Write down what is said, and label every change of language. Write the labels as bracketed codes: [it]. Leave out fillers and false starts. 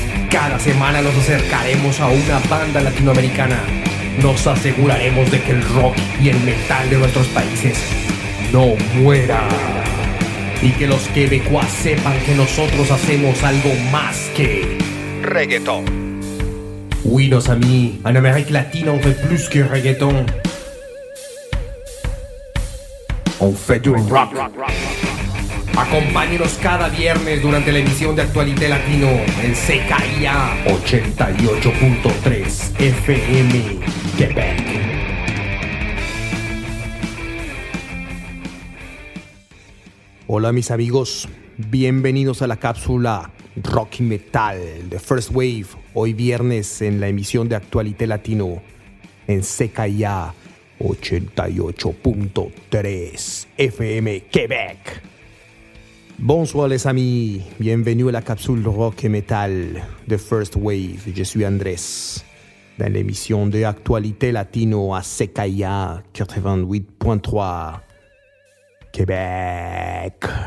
[es] Cada semana nos acercaremos a una banda latinoamericana. Nos aseguraremos de que el rock y el metal de nuestros países no muera. Y que los quebecuas sepan que nosotros hacemos algo más que reggaeton. [fr] Oui, nos amis, en Amérique latine, on fait plus que reggaeton. On fait du rock. [es] Acompáñenos cada viernes durante la emisión de Actualité Latino en CKIA 88.3 FM Quebec. Hola mis amigos, bienvenidos a la cápsula Rock y Metal de First Wave, hoy viernes en la emisión de Actualité Latino en CKIA 88.3 FM Quebec. [fr] Bonsoir les amis, bienvenue à la capsule rock et metal de First Wave. Je suis Andrés, dans l'émission de Actualité Latino à CKIA 88.3, Québec.